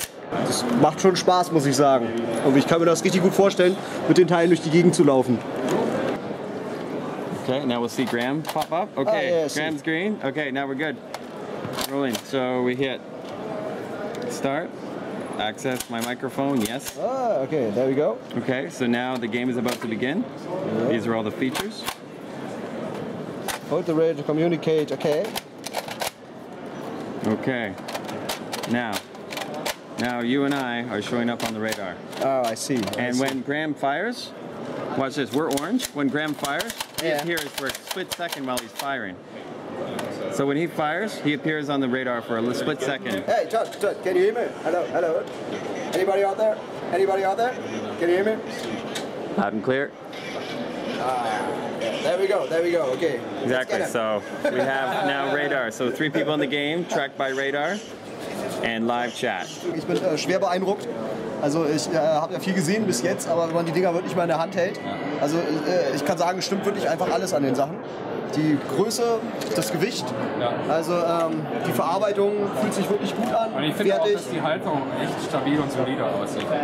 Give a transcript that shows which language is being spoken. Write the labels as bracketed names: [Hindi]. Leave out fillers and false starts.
[German] Das macht schon Spaß, muss ich sagen. Und ich kann mir das richtig gut vorstellen, mit den Teilen durch die Gegend zu laufen. [English] Okay, now we'll see Graham pop up. Okay, Graham's green. Okay, now we're good. Rolling. So we hit start. Access my microphone. Yes. Okay, there we go. Okay, so now the game is about to begin. These are all the features. Hold the radio to communicate. Okay. Okay. Now. Now you and I are showing up on the radar. Oh, I see. And when Graham fires, watch this, we're orange. When Graham fires, he appears for a split second while he's firing. So when he fires, he appears on the radar for a split second. Hey, Todd, can you hear me? Hello, hello. Anybody out there? Anybody out there? Can you hear me? Loud and clear. Yeah, there we go, okay. Exactly, so we have now radar. So three people in the game, tracked by radar. And live chat. [German] Ich bin schwer beeindruckt. Also ich habe ja viel gesehen bis jetzt, aber wenn man die Dinger wirklich mal in der Hand hält, also ich kann sagen, stimmt wirklich einfach alles an den Sachen. Die Größe, das Gewicht, also die Verarbeitung fühlt sich wirklich gut an. Und ich finde auch, dass die Haltung echt stabil und solide aussieht.